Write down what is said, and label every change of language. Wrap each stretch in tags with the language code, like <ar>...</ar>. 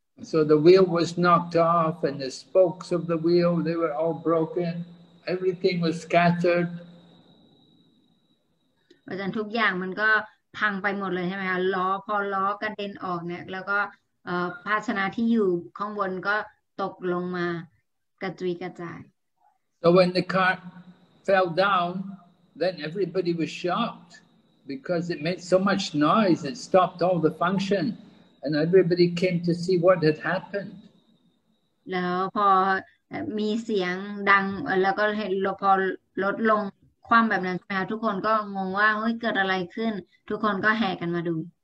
<en>So the wheel was knocked off and the spokes of the wheel they were all broken everything was scattered</en> <th>เพราะฉะนั้นทุกอย่างมันก็พังไปหมดเลยใช่ไหมคะล้อพอล้อกระเด็นออกเนี่ยแล้วก็ภาชนะที่อยู่ข้างบนก็ตกลงมากระจุยกระจาย</th> <en>So when the cart fell down, then everybody was shocked because it made so much noise it stopped all the function, and everybody came to see what had happened.</en> <th>แล้วพอมีเสียงดังแล้วก็เห็นพอลดลงความแบบนั้นนะคะทุกคนก็งงว่าเฮ้ยเกิดอะไรขึ้นทุกคนก็แห่กันมาดู</th>